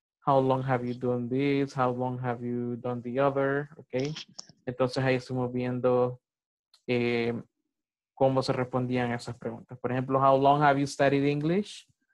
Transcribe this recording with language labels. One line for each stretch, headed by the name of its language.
English: how long have you done this, how long have you done the other, okay?
Spanish: Entonces ahí estuvimos viendo cómo se respondían esas preguntas. Por ejemplo,
English: how long have you studied English?